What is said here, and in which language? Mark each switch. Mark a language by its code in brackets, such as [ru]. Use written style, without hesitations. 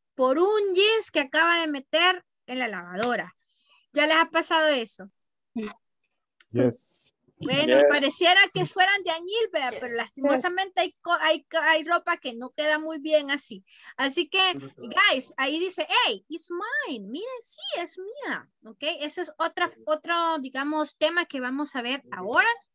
[es] Por un jeans que acaba de meter en la lavadora. ¿Ya les ha pasado eso? [en] Yes. [es] Bueno, yeah. Pareciera que fueran de añil, ¿verdad? Pero lastimosamente hay ropa que no queda muy bien así. Así que, guys, ahí dice, [en] hey, it's mine. [es] Miren, sí, es mía. Ok, ese es otro, digamos, tema que vamos a ver ahora.